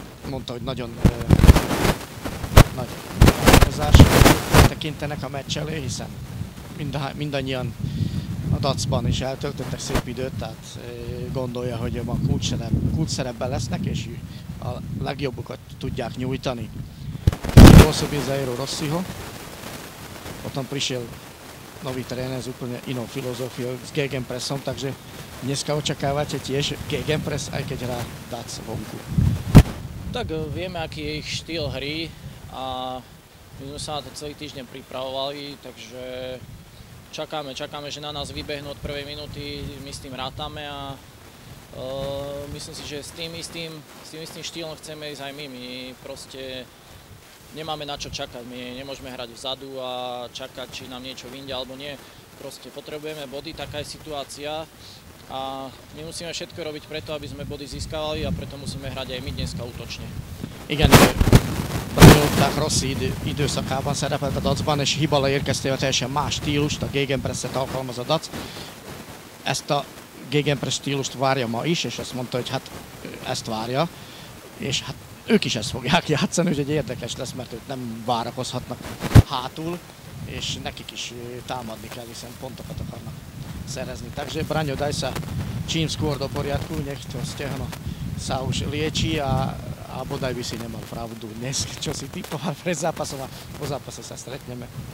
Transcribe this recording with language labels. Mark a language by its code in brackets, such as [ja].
[hu] Mondta, hogy nagyon nagy változás tekintenek a meccs elé, hiszen mindannyian a Dacban is eltöltöttek szép időt, tehát gondolja, hogy a kulcsszerepben lesznek, és a legjobbokat tudják nyújtani. [sk] Rosszobin Zairo Rossiho, potom prišiel nový tréner s úplne inou filozofiou, s Gegenpressom, takže dneska očakávate tiež Gegenpress, aj keď hrá Dac vonku. Tak vieme, aký je ich štýl hry a my sme sa na to celý týždeň pripravovali, takže čakáme, že na nás vybehnú od prvej minúty, my s tým rátame a myslím si, že s tým istým štýlom chceme ísť aj my proste nemáme na čo čakať, my nemôžeme hrať vzadu a čakať, či nám niečo vyjde alebo nie, proste potrebujeme body, taká je situácia a my musíme všetko robiť preto, aby sme body získavali a preto musíme hrať aj my dneska útočne. [hu] Igen, Bruno Tachrossi időszakában szerepelt a Dacban, és Hibala érkeztével teljesen más stílust, a Gegenpresset alkalmaz a Dac. Ezt a Gegenpress stílust várja ma is, és azt mondta, hogy hát ezt várja, és hát ők is ezt fogják játszani, úgyhogy érdekes lesz, mert őt nem várakozhatnak hátul, és nekik is támadni kell, hiszen pontokat akarnak szerezni. [sk] Takže Braňo, daj sa čím skôr do poriadku, nech to stehno sa už lieči a bodaj by si nemal pravdu dnes, čo si typoval pred zápasom a po zápase sa stretneme.